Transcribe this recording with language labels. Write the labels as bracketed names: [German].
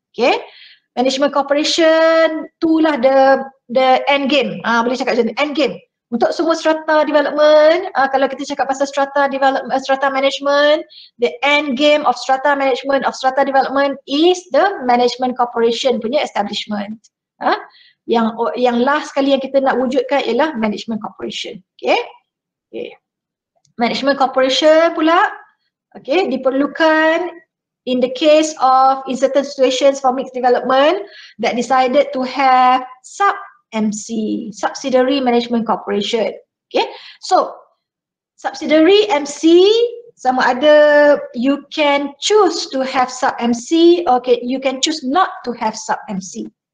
[English] Okay, management corporation [Malay] itulah [English] the end game. [Malay] Boleh cakap macam ni, end game untuk semua strata development. Kalau kita cakap pasal [English] strata development, strata management, the end game of strata management, of strata development is the management corporation [Malay] punya [English] establishment. [Malay] Yang last sekali yang kita nak wujudkan ialah management corporation. [English] Okay. Management corporation [Malay] pula, [English] okay, [Malay] diperlukan [English] in the case of in certain situations for mixed development that decided to have sub MC, subsidiary management corporation. Okay, so subsidiary MC, [Malay] sama ada [English] you can choose to have sub MC or you can choose not to have sub MC.